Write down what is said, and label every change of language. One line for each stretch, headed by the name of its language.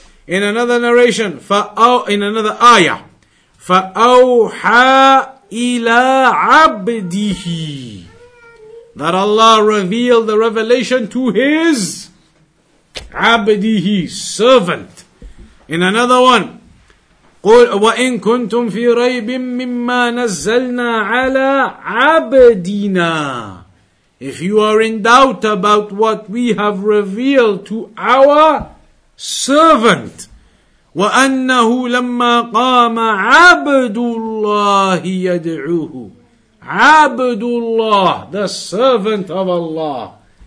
English: In another narration, in another ayah,
Arabic: فأوحى إلى عبده.
English: That Allah revealed the revelation to his abdihi, servant. In another one,
Arabic: قُلْ وَإِن كُنْتُمْ فِي رَيْبٍ مِّمَّا نَزَّلْنَا عَلَىٰ عَبْدِنَا.
English: If you are in doubt about what we have revealed to our servant,
Arabic: وَأَنَّهُ لَمَّا قَامَ عَبْدُ اللَّهِ يَدْعُوهُ.
English: Abdullah, the servant of Allah.